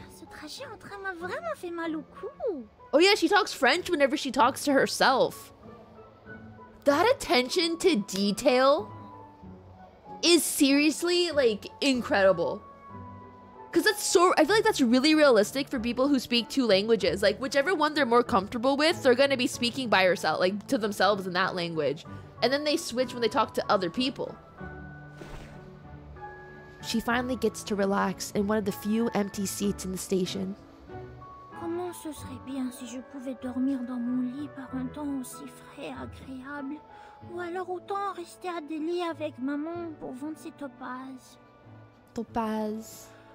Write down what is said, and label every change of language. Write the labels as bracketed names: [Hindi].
[French] Ce trajet en train m'a vraiment fait mal au cou. [English] Oh yeah, she talks French whenever she talks to herself. That attention to detail is seriously, like, incredible. Because that's so... I feel like that's really realistic for people who speak two languages. Like, whichever one they're more comfortable with, they're going to be speaking by herself, like, to themselves in that language. And then they switch when they talk to other people. She finally gets to relax in one of the few empty seats in the station. [French] Comment ce serait bien si je pouvais dormir dans mon lit par un temps aussi frais et agréable? Ou alors autant rester à des lits avec maman pour vendre ses topazes? [English] Topaz.